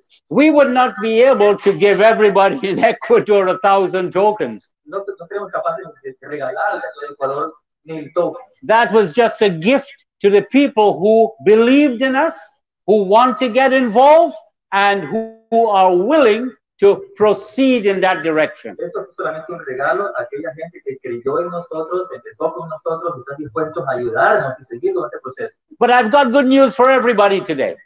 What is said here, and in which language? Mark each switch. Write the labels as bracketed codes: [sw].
[en] We would not be able to give everybody in Ecuador 1,000 tokens. That was just a gift to the people who believed in us, who want to get involved, and who are willing to proceed in that direction. [es] Eso es solamente un regalo a aquella gente que creyó en nosotros, empezó con nosotros, está dispuesto a ayudarnos y seguir con este proceso. [en] But I've got good news for everybody today.